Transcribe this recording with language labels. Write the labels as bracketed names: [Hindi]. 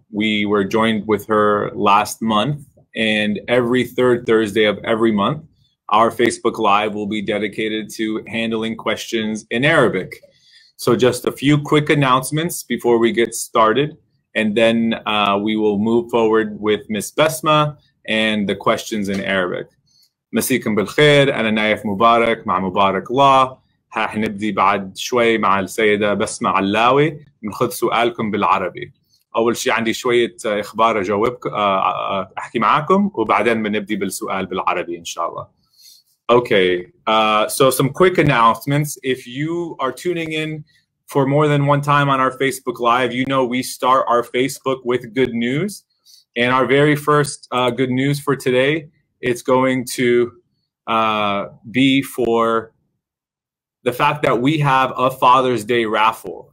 [English] We were joined with her last month, and every third Thursday of every month, our Facebook Live will be dedicated to handling questions in Arabic. So just a few quick announcements before we get started, and then we will move forward with Miss Basma and the questions in Arabic. [Arabic] Masikum bilkhair, ana Naif Mubarak, ma Mubarak Law. هنبدي بعد شوي مع السيدة بسمة علاوي نخذ سؤالكم بالعربي أول شيء عندي شوية إخبار أحكي معاكم وبعدين بنبدي بالسؤال بالعربي إن شاء الله [English] Okay, so some quick announcements. If you are tuning in for more than one time on our Facebook Live, you know we start our Facebook with good news. And our very first good news for today, it's going to be for the fact that we have a Father's Day raffle.